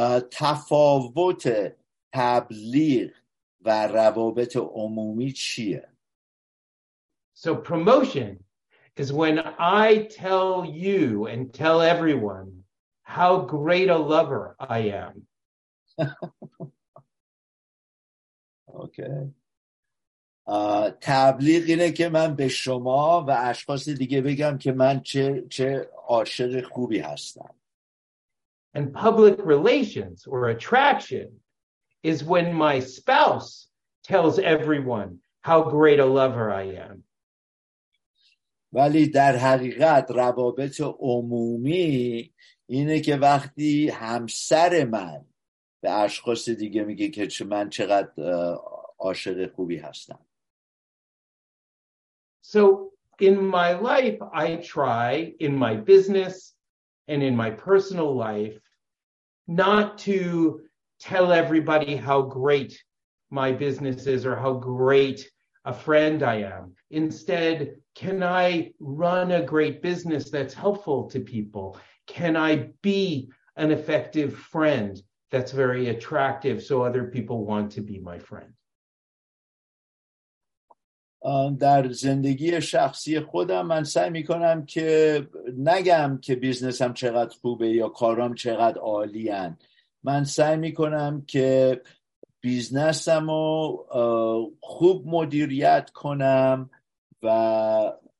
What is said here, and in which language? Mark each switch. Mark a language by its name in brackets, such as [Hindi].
[Persian] تفاوت تبلیغ و روابط عمومی چیه؟ [English] So promotion is when I tell you and tell everyone how great a lover I am. Okay. [Persian] تبلیغ اینه که من به شما و اشخاص دیگه بگم که من چه عاشق خوبی هستم. [English] And public relations or attraction is when my spouse tells everyone how great a lover I am. [Persian] ولی در حقیقت روابط عمومی اینه که وقتی همسر من به اشخاص دیگه میگه که من چقدر عاشق خوبی هستم. [English] So in my life I try in my business and in my personal life not to tell everybody how great my business is or how great a friend I am. Instead, can I run a great business that's helpful to people? Can I be an effective friend that's very attractive so other people want to be my friend? [Persian] در زندگی شخصی خودم من سعی میکنم که نگم که بیزنسم چقدر خوبه یا کارام چقدر عالی هن. من سعی میکنم که بیزنسمو خوب مدیریت کنم و